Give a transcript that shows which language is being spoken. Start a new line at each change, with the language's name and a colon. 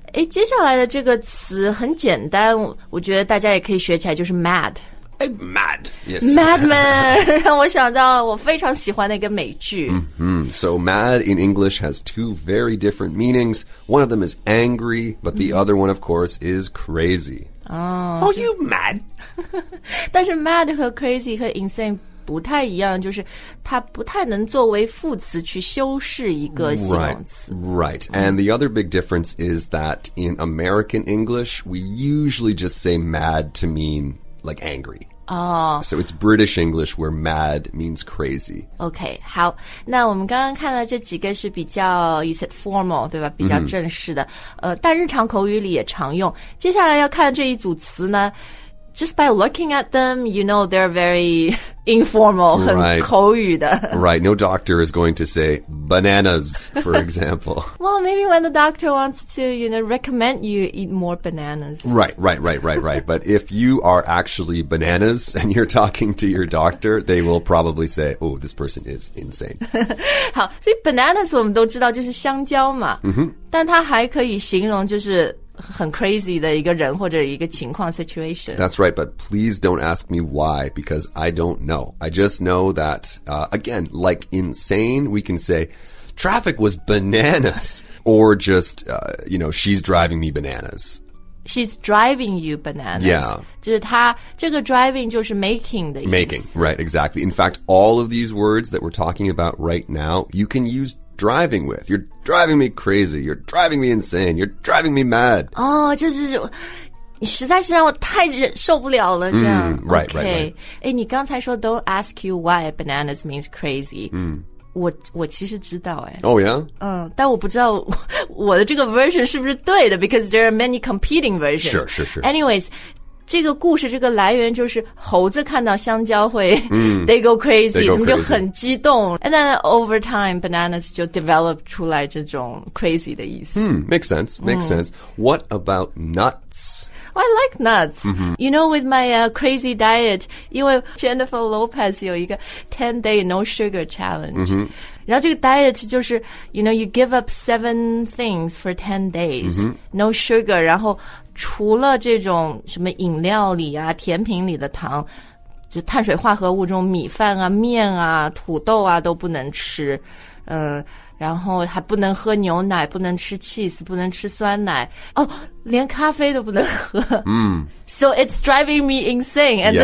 Chinese: 接下来的这个词很简单，我觉得大家也可以学起来，就是 mad.
English: Mad, yes.
Chinese: Madman, 让我想到我非常喜欢的一个美剧。
English: So mad in English has two very different meanings. One of them is angry, but the other one, of course, is crazy. Are you mad?
Chinese: 但是 mad 和 crazy 和 insane 不太一样，就是它不太能作为副词去修饰一个形容词。
English: Right. And the other big difference is that in American English, we usually just say mad to mean like angry. Oh. So it's British English where mad means crazy. Okay,
Chinese: 好。那我们刚刚看到这几个是比较
English: you said formal,
Chinese: 对吧比较正式的。 Mm-hmm. 但日常口语里也常用。接下来要看这一组词呢
English: just by looking at them, you know they're very informal,
Chinese: 很口语的。
English: Right, no doctor is going to say bananas, for example. Well, maybe when the doctor wants to, you know, recommend you eat more bananas. Right. But if you are actually bananas and you're talking to your doctor, they will probably say, oh, this person is insane.
Chinese: 好，所以 bananas 我们都知道就是香蕉嘛。嗯哼。但它还可以形容就是很 crazy 的一个人或者一个情况 situation.
English: That's right, but please don't ask me why, because I don't know. I just know that, again, like insane, we can say, traffic was bananas, or just, you know, she's driving me bananas. She's driving you bananas. Yeah.
Chinese: 就是她这个 driving 就是 making 的意思。
English: Making, right, exactly. In fact, all of these words that we're talking about right now, you can use driving with. You're driving me crazy. You're driving me insane. You're driving me mad.
Chinese: Oh, 就是你实在是让我太受不了了这样。
English: Right.
Chinese: 你刚才说
English: don't ask you why
Chinese: bananas means crazy. 我其实知道哎。
English: Oh, yeah?
Chinese: 但我不知道我的这个 version 是不是对的
English: because there are many competing versions. Sure.
Chinese: Anyways, 这个故事这个来源就是猴子看到香蕉会
English: they go crazy,
Chinese: 他们就很激动。
English: And then over time,
Chinese: bananas 就 develop 出来这种 crazy 的意思。
English: Makes sense. What about nuts? Oh, I like nuts. Mm-hmm. You know, with my crazy diet,
Chinese: 因为
English: Jennifer Lopez
Chinese: 有一个
English: 10-day no sugar challenge. Mm-hmm.
Chinese: 然后这个 diet 就是
English: you know, you give up 7 things for 10 days,、
Chinese: mm-hmm.
English: no sugar,
Chinese: 然后除了这种什么饮料里啊、甜品里的糖就碳水化合物中米饭啊、面啊、土豆啊都不能吃然后还不能喝牛奶不能吃 cheese 不能吃酸奶哦连咖啡都不能喝、
English: So it's driving me insane and